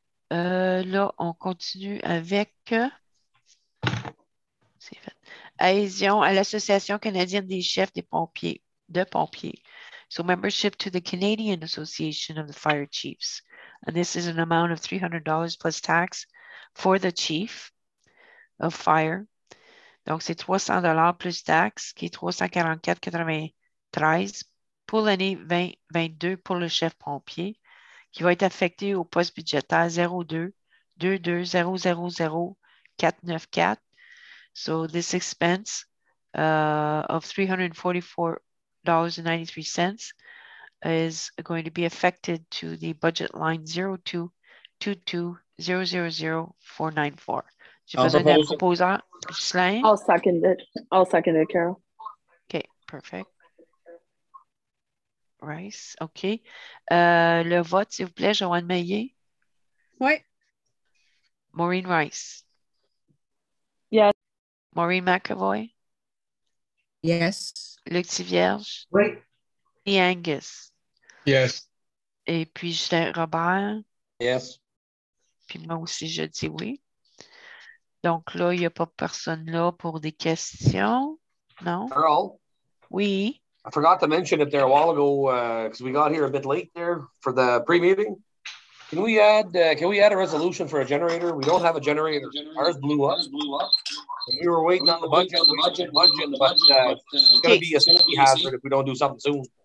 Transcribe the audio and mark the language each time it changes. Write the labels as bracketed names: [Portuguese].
[French] Là, on continue avec Aésion à l'Association canadienne des chefs des pompiers, de pompiers. [English] So, membership to the Canadian Association of the Fire Chiefs. And this is an amount of $300 plus tax for the chief of fire. [French] Donc, c'est $300 plus tax, qui est $344.93 pour l'année 2022 pour le chef pompier, qui va être affecté au poste budgétaire 02-22-000-494. [English] So, this expense of $344.93 is going to be affected to the budget line 02-22-000-494. I'll second it. I'll second it, Carol. Okay, perfect. [French] Rice, okay. Le vote, s'il vous plaît, Joanne Meillet. Oui. Maureen Rice. [English] Yes. Maureen McAvoy. Yes. Luc Thivierge. [French] Oui. Et Angus. [English] Yes. [French] Et puis Justin Robert. [English] Yes. [French] Puis moi aussi, je dis oui. Donc là, il n'y a pas personne là pour des questions. Non? Carol. Oui. [English] I forgot to mention it there a while ago because we got here a bit late there for the pre-meeting. Can we add a resolution for a generator? We don't have a generator. Ours blew up. And we were waiting on the budget, but it's going to be a safety hazard if we don't do something soon.